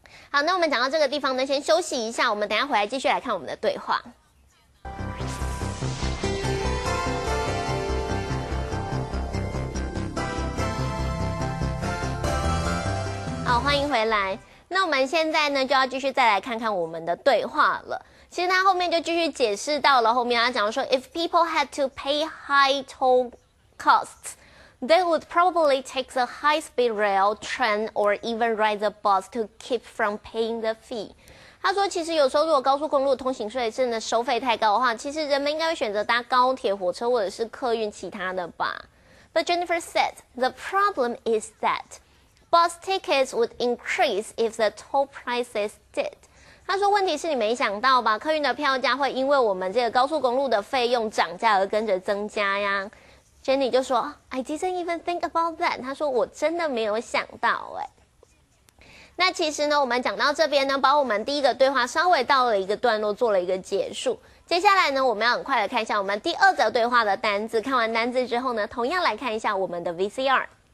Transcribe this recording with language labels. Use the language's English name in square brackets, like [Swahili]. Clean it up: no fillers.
[Chinese] 好，那我们讲到这个地方呢先休息一下，我们等一下回来继续来看我们的对话。好，欢迎回来。那我们现在呢就要继续再来看看我们的对话了。其实他后面就继续解释到了，后面他讲说 [English] If people had to pay high toll costs, they would probably take the high speed rail, train, or even ride the bus to keep from paying the fee. [Chinese] 他说其实有时候如果高速公路通行税真的收费太高的话，其实人们应该会选择搭高铁、火车或者是客运其他的吧。 [English] But Jennifer said, the problem is thatBus tickets would increase if the toll prices did. [Chinese] 他说问题是你没想到吧，客运的票价会因为我们这个高速公路的费用涨价而跟着增加呀。 [English] Jenny [Chinese] 就说 [English] I didn't even think about that. [Chinese] 他说我真的没有想到耶。那其实呢我们讲到这边呢，把我们第一个对话稍微到了一个段落，做了一个结束。接下来呢我们要很快的看一下我们第二则对话的单字。看完单字之后呢，同样来看一下我们的 VCR。